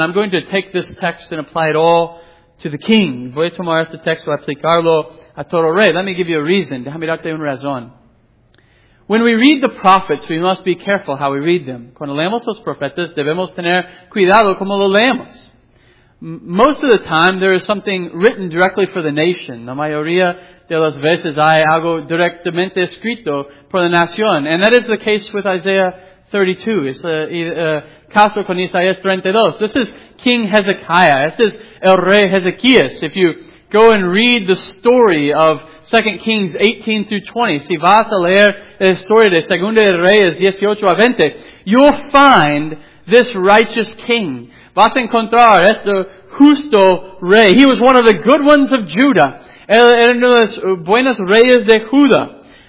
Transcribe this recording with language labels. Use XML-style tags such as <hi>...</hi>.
<en>I'm going to take this text and apply it all to the king.</en> <es>Voy a tomar este texto y aplicarlo a todo rey.</es> <en>Let me give you a reason.</en> <es>Déjame darte una razón.</es> <en>When we read the prophets, we must be careful how we read them.</en> <es>Cuando leemos los profetas, debemos tener cuidado como lo leemos.</es> <en>Most of the time, there is something written directly for the nation.</en> <es>La mayoría de las veces hay algo directamente escrito por la nación.</es> <en>And that is the case with Isaiah 32. It's</en> <es>caso con Isaías 32.</es> <en>This is King Hezekiah. This is</en> <es>el rey Hezekías.</es> <en>If you Go and read the story of 2 Kings 18 through 20.</en> <es>Si vas a leer la historia de Segunda de Reyes 18 a 20,</es> <en>you'll find this righteous king.</en> <es>Vas a encontrar este justo rey.</es> <en>He was one of the good ones of Judah.</en> <es>Él era uno de los buenos reyes de Judá.</es>